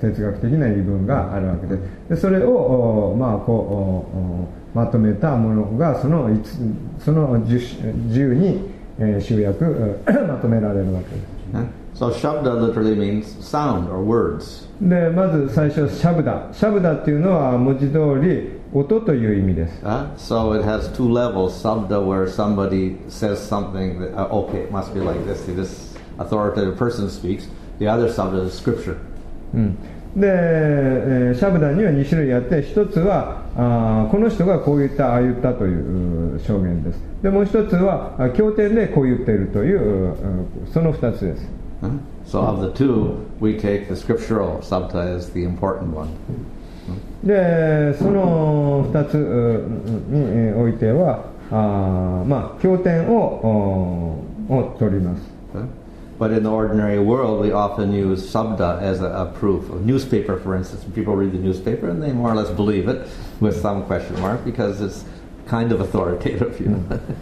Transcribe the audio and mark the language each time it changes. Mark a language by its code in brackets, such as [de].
[ja] 哲学的な言い分があるわけです。でそれを、まあ、こうまとめたものがその10に、集約まとめられるわけです。 [en] So Shabda literally means sound or words. [ja] でまず最初シャブダっていうのは文字通り音という意味です。 [en] So it has two levels, sabda where somebody says something that, okay, it must be like this, see, this authoritative person speaks, the other sabda is scripture. [ja] で、シャブダには2種類あって、1つはこの人がこう言ったああ言ったという証言です。でもう一つは経典でこう言っているというその二つです。 [en] So of the two we take the scriptural sabda as the important one. [ja] でその二つにおいてはまあ経典 を取ります。 [en] But in the ordinary world we often use sabda as a proof. A newspaper for instance, people read the newspaper and they more or less believe it with some question mark because it's kind of authoritative, you know.